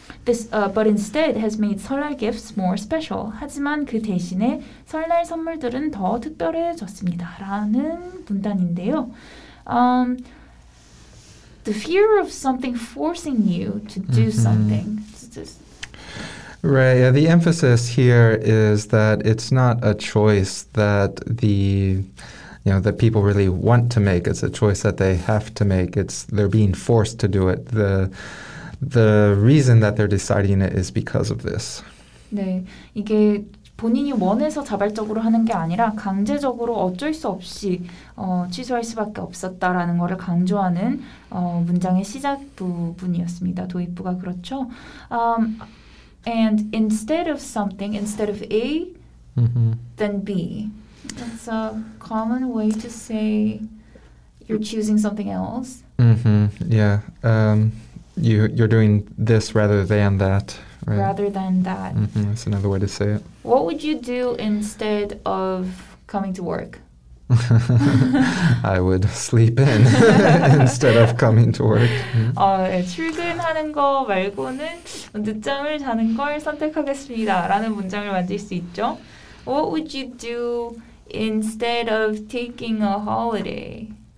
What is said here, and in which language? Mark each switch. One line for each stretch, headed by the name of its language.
English: This, but instead has made 설날 gifts more special.
Korean: 하지만 그 대신에 설날 선물들은 더 특별해졌습니다. 라는 문단인데요.
English: The fear of something forcing you to do mm-hmm. something. Right, yeah, the emphasis here is that it's not a choice that the, you know, that people really want to make. It's a choice that they have to make. It's, they're being forced to do it. The reason that they're deciding it is because of this.
Korean: 네, 이게 본인이 원해서 자발적으로 하는 게 아니라 강제적으로 어쩔 수 없이 취소할 수밖에 없었다라는 것을 강조하는 문장의 시작 부분이었습니다. 도입부가 그렇죠.
English: And instead of something, instead of A, then B. That's a common way to say you're choosing something else. Mm-hmm. Yeah. You're doing this rather than that. Right? Rather than that. Mm-hmm. That's another way to say it. What would you do instead of coming to work? I would sleep in instead of coming to work.
Korean: 네, 출근하는 거 말고는 늦잠을 자는 걸 선택하겠습니다라는 문장을 만들 수 있죠.
English: What would you do instead of taking a holiday?